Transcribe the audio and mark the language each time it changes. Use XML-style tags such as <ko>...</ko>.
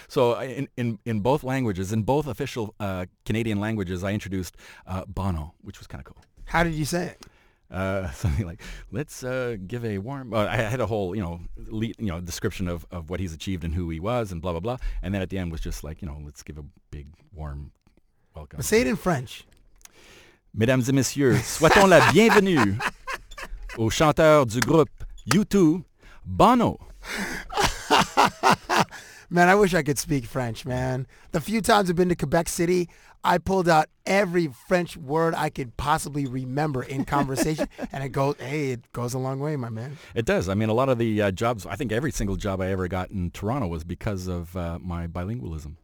<en>So in both languages, in both official Canadian languages, I introduced Bono, which was kind of cool. How did you say it? Something like, let's give a warm. I had a whole, description of what he's achieved and who he was and blah blah blah. And then at the end was just like, you know, let's give a big warm welcome. Say it in French.</en> <fr>Mesdames et messieurs, souhaitons la bienvenue au chanteur du groupe U2, Bono.</fr> <en>Man, I wish I could speak French, man. The few times I've been to Quebec City, I pulled out every French word I could possibly remember in conversation, and it goes, it goes a long way, my man. It does. I mean, a lot of the jobs, I think every single job I ever got in Toronto was because of my bilingualism.</en>